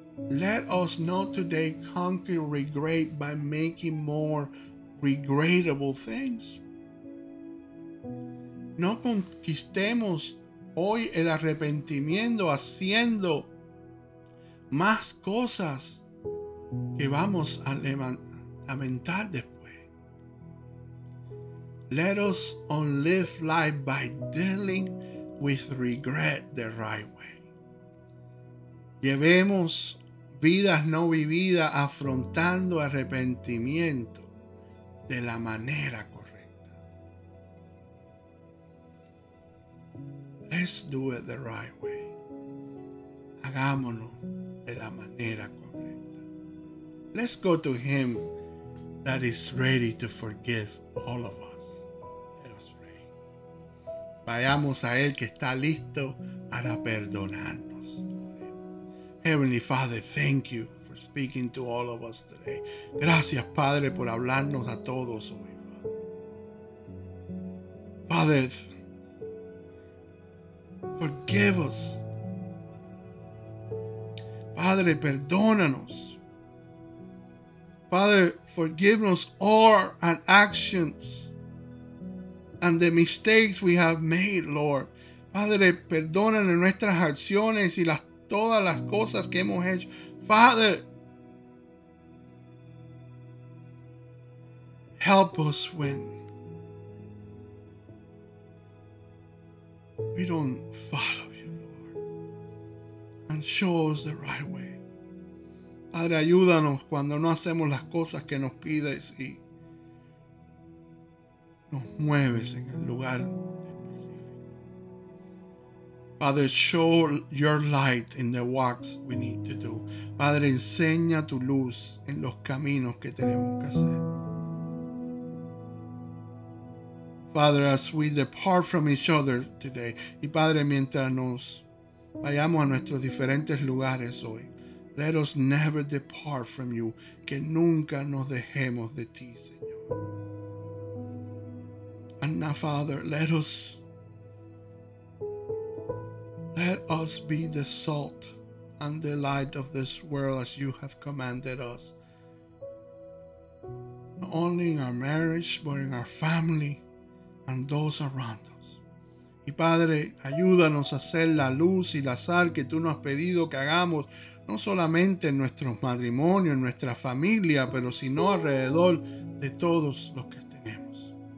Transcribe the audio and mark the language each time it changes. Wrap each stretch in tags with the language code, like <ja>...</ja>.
<en>Let us not today conquer regret by making more regrettable things.</en> <es>No conquistemos hoy el arrepentimiento haciendo más cosas que vamos a lamentar después.</es> <en>Let us live life by dealing with regret the right way.</en> <es>Llevemos vidas no vividas afrontando arrepentimiento de la manera correcta.</es> <en>Let's do it the right way.</en> <es>Hagámonos de la manera correcta.</es> <en>Let's go to Him that is ready to forgive all of us. Let us pray.</en> <es>Vayamos a Él que está listo para perdonarnos.</es> <en>Heavenly Father, thank you for speaking to all of us today.</en> <es>Gracias, Padre, por hablarnos a todos hoy.</es> <en>Father, forgive us. Father,</en> <es>Padre, perdónanos.</es> <en>Father, forgive us all our actions and the mistakes we have made, Lord.</en> <es>Padre, perdónanos nuestras acciones y todas las cosas que hemos hecho.</es> <en>Father, help us when we don't follow you, Lord, and show us the right way.</en> <es>Padre, ayúdanos cuando no hacemos las cosas que nos pides y nos mueves en el lugar específico.</es> <en>Father, show your light in the walks we need to do.</en> <es>Padre, enseña tu luz en los caminos que tenemos que hacer.</es> <en>Father, as we depart from each other today,</en> <es>y Padre, mientras nos vayamos a nuestros diferentes lugares hoy,</es> <en>let us never depart from you.</en> <es>Que nunca nos dejemos de ti, Señor.</es> <en>And now, Father, let us be the salt and the light of this world as you have commanded us. Not only in our marriage, but in our family and those around us.</en> <es>Y Padre, ayúdanos a hacer la luz y la sal que tú nos has pedido que hagamos, no solamente en nuestros matrimonios, en nuestra familia, pero sino alrededor de todos los que tenemos.</es>